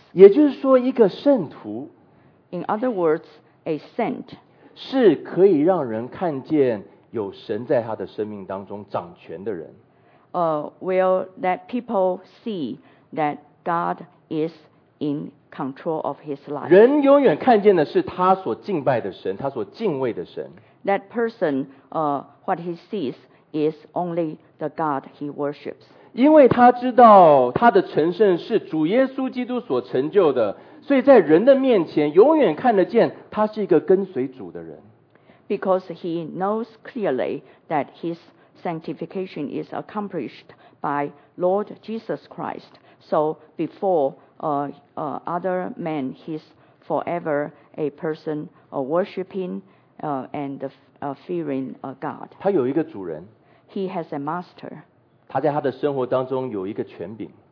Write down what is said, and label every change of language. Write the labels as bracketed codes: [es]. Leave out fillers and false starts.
[zh] 也就是说，一个圣徒 [en] ，In other words, a saint [zh] 是可以让人看见有神在他的生命当中掌权的人。 [en] Will let people see that God is in control of his life. [zh] 人永远看见的是他所敬拜的神，他所敬畏的神。 [en] That person, what he sees is only the God he worships. [zh] 因为他知道他的成圣是主耶稣基督所成就的，所以在人的面前永远看得见他是一个跟随主的人。 [en] Because he knows clearly that his sanctification is accomplished by Lord Jesus Christ. So before other men, he's forever a person worshiping and fearing God. [zh] 他有一个主人。 [en] He has a master. [zh] 他在他的生活当中有一个权柄。